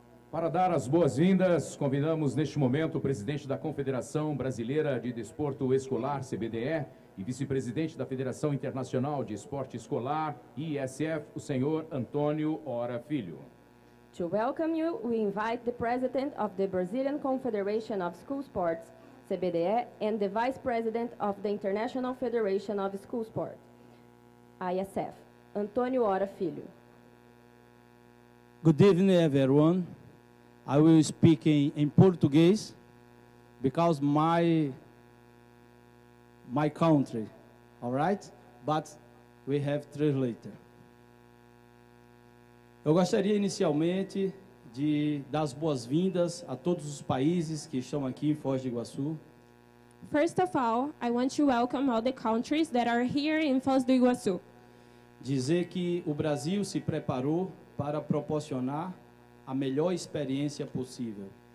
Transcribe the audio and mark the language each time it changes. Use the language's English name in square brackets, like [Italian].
[Portuguese] Para dar as boas-vindas, convidamos neste momento o presidente da Confederação Brasileira de Desporto Escolar, CBDE, e vice-presidente da Federação Internacional de Esporte Escolar, IESF, o senhor Antônio Ora Filho. [English] To welcome you, we invite the president of the Brazilian Confederation of School Sports, CBDE, and the vice president of the International Federation of School Sports, IESF, Antônio Ora Filho. Good evening, everyone. I will speak in Portuguese because my country, all right? But we have translator. [Portuguese] Eu gostaria inicialmente de dar as boas-vindas a todos os países que estão aqui em Foz do Iguaçu. [English] First of all, I want to welcome all the countries that are here in Foz do Iguaçu. [Portuguese] Dizer que o Brasil se preparou para proporcionar a melhor experiência possível.